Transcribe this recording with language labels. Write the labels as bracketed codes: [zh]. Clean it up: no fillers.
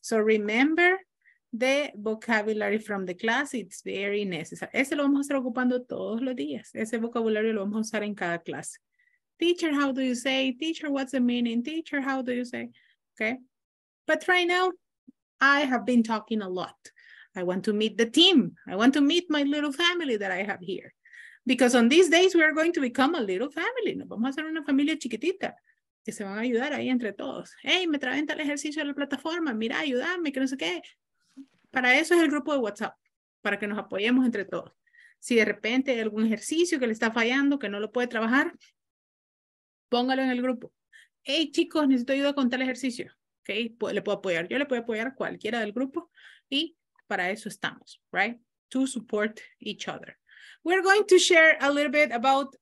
[en] So remember, the vocabulary from the class, it's very necessary. [es] Ese lo vamos a estar ocupando todos los días. Ese vocabulario lo vamos a usar en cada clase. [en] Teacher, how do you say? Teacher, what's the meaning? Teacher, how do you say? Okay. But right now, I have been talking a lot. I want to meet the team. I want to meet my little family that I have here. Because on these days, we are going to become a little family. [es] Nos vamos a hacer una familia chiquitita. Que se van a ayudar ahí entre todos. Hey, me traen tal ejercicio de la plataforma. Mira, ayúdame, que no sé qué. Para eso es el grupo de WhatsApp. Para que nos apoyemos entre todos. Si de repente hay algún ejercicio que le está fallando, que no lo puede trabajar, póngalo en el grupo. Hey, chicos, necesito ayuda con tal ejercicio. Okay, le puedo apoyar. Yo le puedo apoyar a cualquiera del grupo. Y para eso estamos, [en] right? To support each other. We're going to share a little bit about